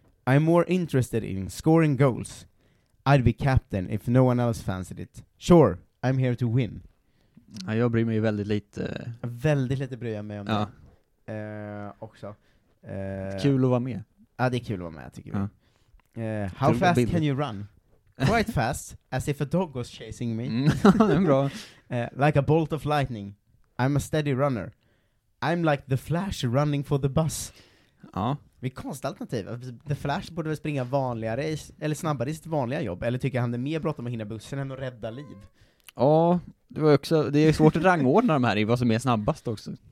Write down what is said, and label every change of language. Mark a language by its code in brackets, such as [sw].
[en] I'm more interested in scoring goals. I'd be captain if no one else fancied it. Sure, I'm here to win. [sv] Ja, jag bryr mig väldigt lite. Väldigt lite bryr jag mig om, ja, det. Också. Kul att vara med. Ja, det är kul att vara med, tycker jag. [en] How fast can you run? Quite fast, as if a dog was chasing me. [sv] Det är bra. [en] Like a bolt of lightning. I'm a steady runner. I'm like the Flash running for the bus. [sv] Ja. Det är konstigt alternativ. The Flash borde väl springa vanligare eller snabbare i sitt vanliga jobb, eller tycker han det är mer bråttom att hinna bussen än att rädda liv? Ja, det var också, det är svårt att rangordna de här i vad som är snabbast också.